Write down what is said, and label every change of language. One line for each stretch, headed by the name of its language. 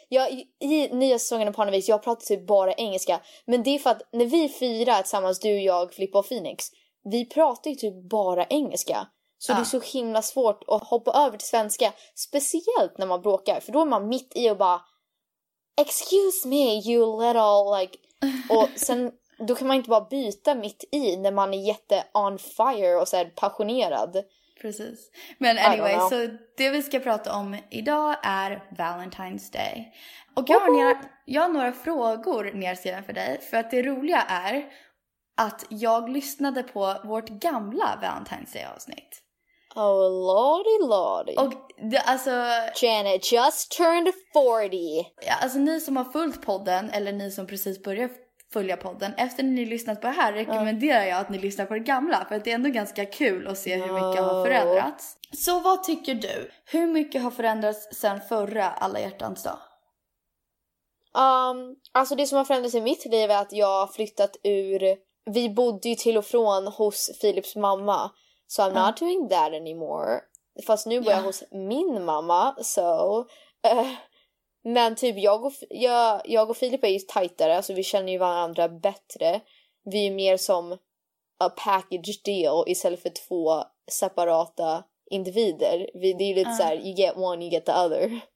Swedish: Jag, i nya säsongen av Parnevis, jag pratar typ bara engelska. Men det är för att när vi fyra tillsammans, du, jag, Filippa och Phoenix, vi pratar ju typ bara engelska. Så ja. Det är så himla svårt att hoppa över till svenska. Speciellt när man bråkar, för då är man mitt i och bara...
English: Excuse me, you little, like...
Swedish: Och sen, då kan man inte bara byta mitt i när man är jätte
English: on fire
Swedish: och så här passionerad. Precis. Men anyway, så det vi ska prata om idag är Valentine's Day. Och jag har några frågor nedskrivna för dig. För att det roliga är att jag lyssnade på vårt gamla Valentine's Day-avsnitt.
English: Oh, lordy, lordy.
Swedish: Och det, alltså...
English: Janet just turned 40.
Swedish: Ja, alltså ni som har följt podden, eller ni som precis börjar följa podden. Efter ni lyssnat på det här rekommenderar jag att ni lyssnar på det gamla. För att det är ändå ganska kul att se hur mycket har förändrats. Så vad tycker du? Hur mycket har förändrats sedan förra Alla hjärtans dag? Alltså det som har förändrats i mitt liv är att jag har flyttat ur... Vi bodde ju till och från hos Philips mamma.
English: So I'm not doing that anymore.
Swedish: Fast nu bor jag hos min mamma.
English: So...
Swedish: Men typ jag och Filip är ju tajtare, alltså vi känner ju varandra bättre. Vi är mer som
English: a package deal
Swedish: istället för två separata individer. Vi, det är ju lite så här,
English: you get one, you get the other.